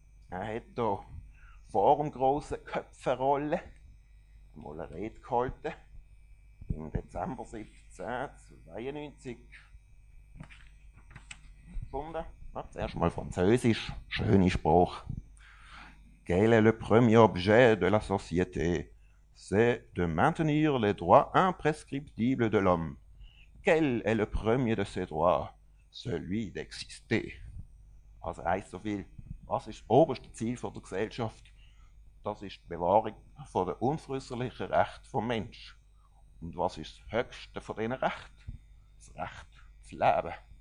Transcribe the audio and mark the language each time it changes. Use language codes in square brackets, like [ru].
[de] Er hat hier vor dem grossen Köpfenrolle mal eine Rede gehalten. Im Dezember 1792. Gefunden. Zuerst mal Französisch, schöne Sprache. [fr] Quel est le premier objet de la société? C'est de maintenir les droits imprescriptibles de l'homme. Quel est le premier de ces droits? Celui d'exister. [de] Also heisst so viel, was ist das oberste Ziel der Gesellschaft? das ist die Bewahrung von der unveräußerlichen Recht vom Mensch. Und was ist das höchste von diesen Rechten? Das Recht zu leben.